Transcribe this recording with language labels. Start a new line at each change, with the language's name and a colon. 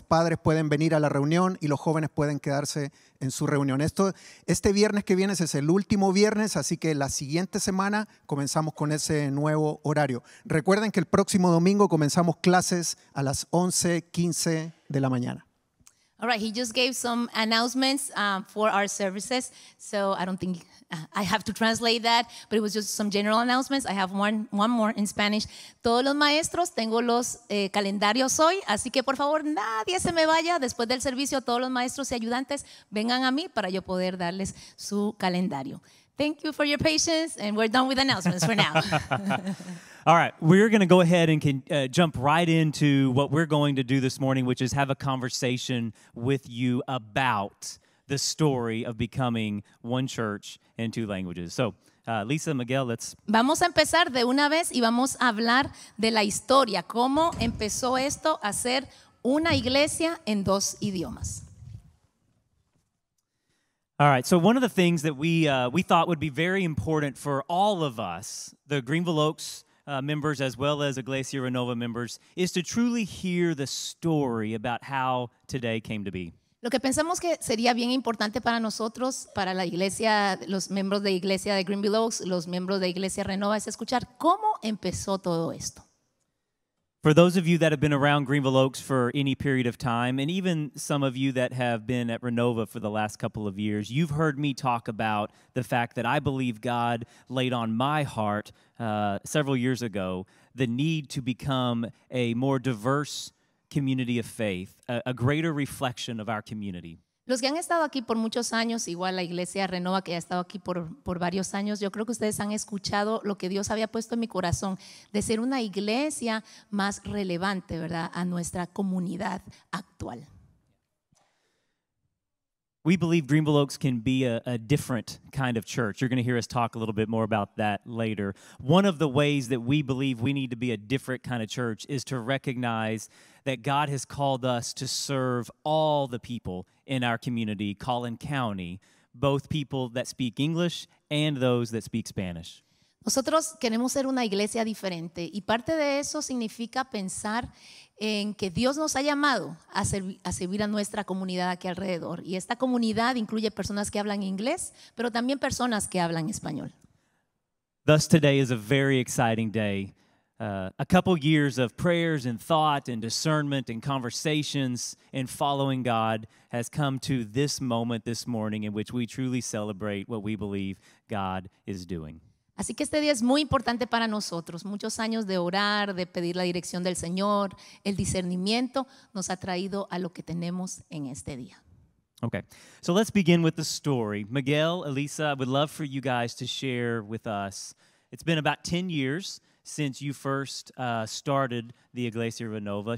Spanish: Padres pueden venir a la reunión y los jóvenes pueden quedarse en su reunión. Este viernes que viene es el último viernes, así que la siguiente semana comenzamos con ese nuevo horario. Recuerden que el próximo domingo comenzamos clases a las 11:15 de la mañana.
English: All right, he just gave some announcements for our services, so I don't think I have to translate that, but it was just some general announcements. I have one more in Spanish.
Spanish: Todos los maestros, tengo los calendarios hoy, así que por favor, nadie se me vaya después del servicio. Todos los maestros y ayudantes, vengan a mí para yo poder darles su calendario.
English: Thank you for your patience, and we're done with announcements for now. All right, we're going to go ahead and jump right into what we're going to do this morning, which is have a conversation with you about the story of becoming one church in two languages. So, Lisa, Miguel, let's...
Spanish: Vamos a empezar de una vez y vamos a hablar de la historia, cómo empezó esto a ser una iglesia en dos idiomas.
English: All right, so one of the things that we thought would be very important for all of us, the Greenville Oaks members as well as Iglesia Renova members, is to truly hear the story about how today came to be.
Spanish: Lo que pensamos que sería bien importante para nosotros, para la iglesia, los miembros de Iglesia de Greenville Oaks, los miembros de Iglesia Renova, es escuchar cómo empezó todo esto.
English: For those of you that have been around Greenville Oaks for any period of time, and even some of you that have been at Renova for the last couple of years, you've heard me talk about the fact that I believe God laid on my heart several years ago the need to become a more diverse community of faith, a greater reflection of our community.
Spanish: Los que han estado aquí por muchos años, igual la Iglesia Renova que ha estado aquí por varios años, yo creo que ustedes han escuchado lo que Dios había puesto en mi corazón de ser una iglesia más relevante, ¿verdad?, a nuestra comunidad actual.
English: We believe Greenville Oaks can be a different kind of church. You're going to hear us talk a little bit more about that later. One of the ways that we believe we need to be a different kind of church is to recognize that God has called us to serve all the people in our community, Collin County, both people that speak English and those that speak Spanish.
Spanish: Nosotros queremos ser una iglesia diferente, y parte de eso significa pensar en que Dios nos ha llamado a servir a nuestra comunidad aquí alrededor. Y esta comunidad incluye personas que hablan inglés, pero también personas que hablan español.
English: Thus, today is a very exciting day. A couple years of prayers and thought and discernment and conversations and following God has come to this moment this morning in which we truly celebrate what we believe God is doing.
Spanish: Así que este día es muy importante para nosotros. Muchos años de orar, de pedir la dirección del Señor, el discernimiento nos ha traído a lo que tenemos en este día.
English: Okay, so let's begin with the story. Miguel, Elisa, I would love for you guys to share with us. It's been about 10 years since you first started the Iglesia Renova.